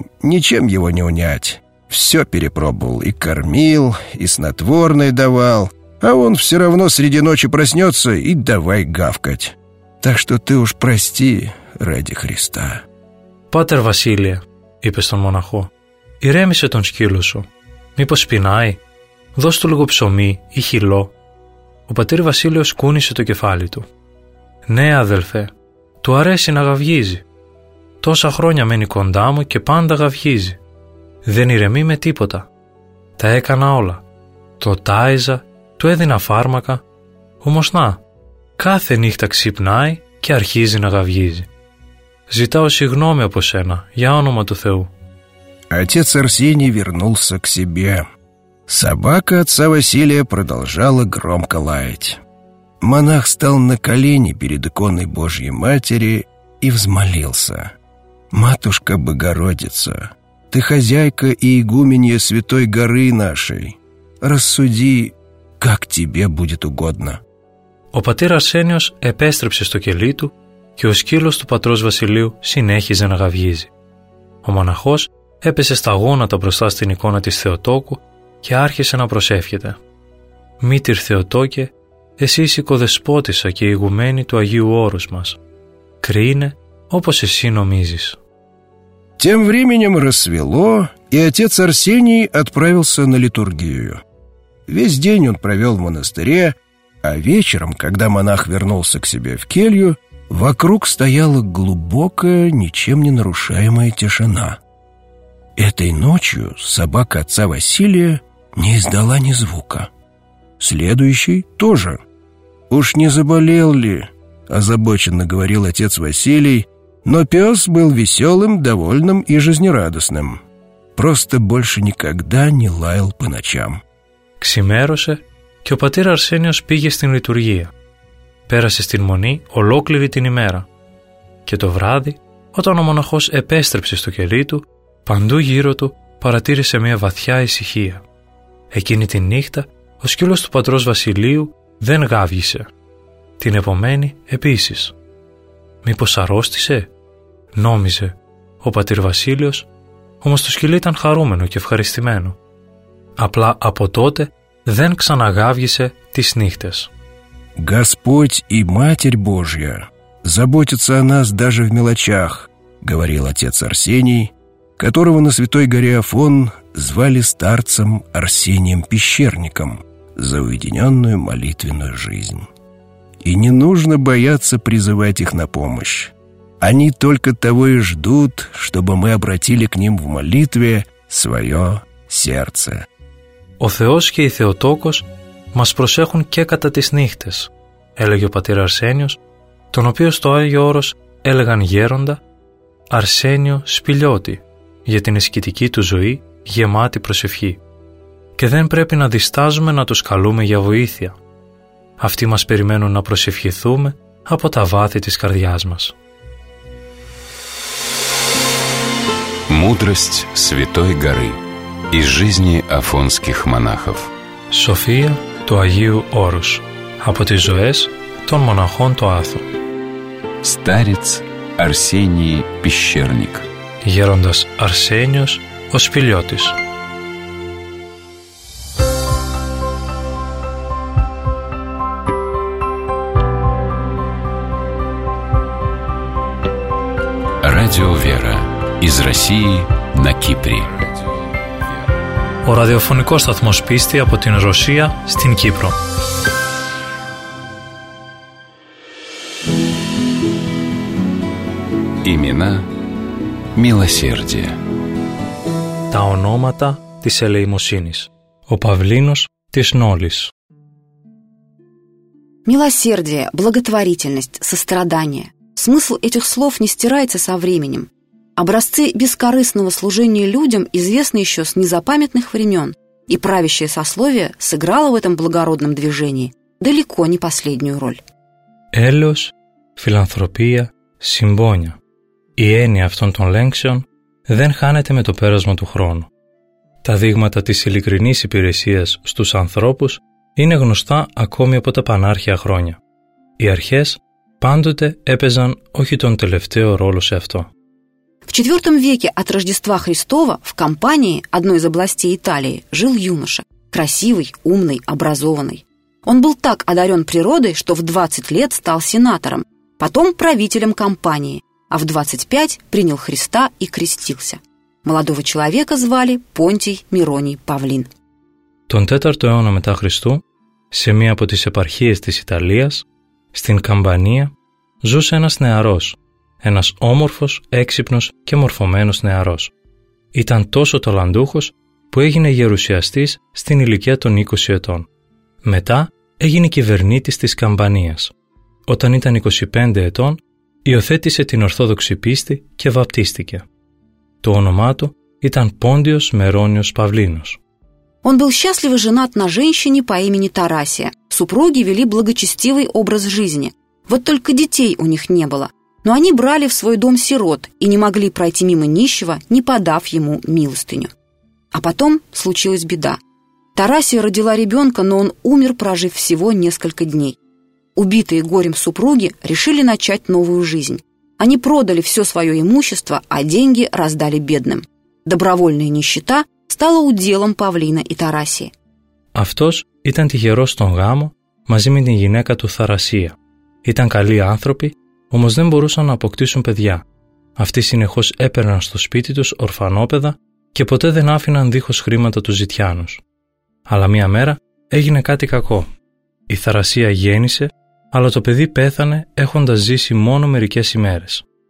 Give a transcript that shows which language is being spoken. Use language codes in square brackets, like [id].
[ru] Ничем его не унять. Все перепробовал, и кормил, и снотворное давал. А он все равно среди ночи проснется и давай гавкать. Так что ты уж прости ради Христа». [el] «Πάτερ Βασίλειε», είπε στον μοναχό, «ηρέμησε τον σκύλο σου. Μήπως πεινάει? Δώσ' του λίγο ψωμί ή χυλό». Ο πατήρ Βασίλειος κούνησε το κεφάλι του. «Ναι, αδελφέ, του αρέσει να γαυγίζει. Τόσα χρόνια μένει κοντά μου και πάντα γαυγίζει. Δεν ηρεμεί με τίποτα. Τα έκανα όλα. Το τάιζα, του έδινα φάρμακα. Όμως να, κάθε νύχτα ξυπνάει και αρχίζει να γαυγίζει. Ζητάω συγγνώμη από σένα, για όνομα του Θεού». [ru] Отец Арсений вернулся к себе. Собака отца Василия продолжала громко лаять. Монах стал на колени перед иконой Божьей Матери и взмолился. «Матушка Богородица, ты хозяйка и игуменья Святой Горы нашей. Рассуди, как тебе будет угодно». [el] Ο πατήρ Αρσένιος επέστρεψε στο κελί του και ο σκύλος του πατρός Βασιλείου συνέχιζε να γαυγίζει. Ο μοναχός έπεσε στα γόνατα μπροστά στην εικόνα της Θεοτόκου και άρχισε να προσεύχεται. «Μήτυρ Θεοτόκε, εσύ είσαι οικοδεσπότησα και ηγουμένη του Αγίου Όρους μας. Κρίνε όπως εσύ νομίζεις». [ru] Тем временем рассвело, и отец Арсений отправился на литургию. Весь день он провел в монастыре, а вечером, когда монах вернулся к себе в келью, вокруг стояла глубокая, ничем не нарушаемая тишина. Этой ночью собака отца Василия не издала ни звука. Следующий тоже. «Уж не заболел ли?» – озабоченно говорил отец Василий, но пес был веселым, довольным и жизнерадостным. Просто больше никогда не лаял по ночам. [el] Ксимеросе, και ο πατήρ Αρσένιος πήγε στην λειτουργία. Πέρασε στην μονή ολόκληρη την ημέρα. Και το βράδυ, όταν ο μοναχός επέστρεψε στο κελί του, παντού γύρω του παρατήρησε μια βαθιά ησυχία. Εκείνη τη νύχτα, ο σκύλος του πατρός Βασιλείου δεν γάβγησε. Την επομένη επίσης. «Μήπως αρρώστησε?» νόμιζε ο πατήρ Βασίλειος, όμως το σκυλί ήταν χαρούμενο και ευχαριστημένο. Απλά από τότε δεν ξαναγάβγησε τις νύχτες. [ru] «Господь и Матерь Божья заботятся о нас даже в мелочах», говорил отец Арсений, которого на Святой горе Афон звали старцем Арсением Пещерником за уединенную молитвенную жизнь. «И не нужно бояться призывать их на помощь. Они только того и ждут, чтобы мы обратили к ним в молитве свое сердце». [el] «Ο Θεός και η Θεοτόκος μας προσέχουν και κατά τις νύχτες», έλεγε ο πατήρ Αρσένιος, τον οποίο στο Άγιο Όρος έλεγαν γέροντα «Αρσένιο Σπηλιώτη», για την ασκητική του ζωή γεμάτη προσευχή. Και δεν πρέπει να διστάζουμε να τους καλούμε για βοήθεια. Αυτοί μας περιμένουν να προσευχηθούμε από τα βάθη της καρδιάς μας. [ru] Мудрость Святой Горы из жизни афонских монахов. [el] София του Αγίου Όρους από τις ζωές των μοναχών του Άθου. [ru] Старец Арсений Пещерник. [el] Γέροντας Αρσένιος ο Σπηλιώτης. [ru] Радио Вера. Из России на Кипре. [el] Ο ραδιοφωνικός σταθμός πίστη από την Ρωσία στην Κύπρο. [ru] Имена милосердия. [el] Τα ονόματα της ελεημοσύνης. Ο Παυλίνος της Νόλης. [ru] Милосердие, благотворительность, сострадание. Смысл этих слов не стирается со временем. Образцы бескорыстного служения людям известны еще с незапамятных времен, и правящее сословие сыграло в этом благородном движении далеко не последнюю роль. [el] Έλεος, φιλανθρωπία, συμπόνια. Η έννοια αυτών των λέξεων δεν χάνεται με το πέρασμα του χρόνου. Τα δείγματα της ειλικρινής υπηρεσίας στους ανθρώπους είναι γνωστά ακόμη από τα πανάρχια χρόνια. Οι αρχές πάντοτε έπαιζαν όχι τον τελευταίο ρόλο σε αυτό. [ru] В IV веке от Рождества Христова в Кампании, одной из областей Италии, жил юноша. Красивый, умный, образованный. Он был так одарен природой, что в 20 лет стал сенатором, потом правителем Кампании, а в 25 принял Христа и крестился. Молодого человека звали Понтий Мироний Павлин. [el] Τον 4ο αιώνα μετά Χριστού, σε μία από τις επαρχίες της Ιταλίας, στην Καμπανία, ζούσε ένας νεαρός. Ένας όμορφος, έξυπνος και μορφωμένος νεαρός. Ήταν τόσο ταλαντούχος που έγινε γερουσιαστής στην ηλικία των 20 ετών. Μετά έγινε κυβερνήτης της Καμπανίας. Όταν ήταν 25 ετών, υιοθέτησε την Ορθόδοξη πίστη και βαπτίστηκε. Το όνομά του ήταν Πόντιος Μερόνιος Παυλίνος. [ru] Он был счастливо женат на женщине по имени Тарасия. Супруги вели благочестивый образ жизни. Вот только детей у них не было. Но они брали в свой дом сирот и не могли пройти мимо нищего, не подав ему милостыню. А потом случилась беда. Тарасия родила ребенка, но он умер, прожив всего несколько дней. Убитые горем супруги решили начать новую жизнь. Они продали все свое имущество, а деньги раздали бедным. Добровольная нищета стала уделом Павлина и Тарасии. [el] Автос ήταν тихерос тон гамо, мази ме την γυναίκα του Тарасия. Ήταν καλοί άνθρωποι, όμως δεν μπορούσαν να αποκτήσουν παιδιά. Αυτοί συνεχώς έπαιρναν στο σπίτι τους ορφανόπαιδα και ποτέ δεν άφηναν δίχως χρήματα τους ζητιάνους. Αλλά μία μέρα έγινε κάτι κακό. Η Θαρασία γέννησε, αλλά το παιδί πέθανε έχοντας ζήσει μόνο μερικές ημέρες.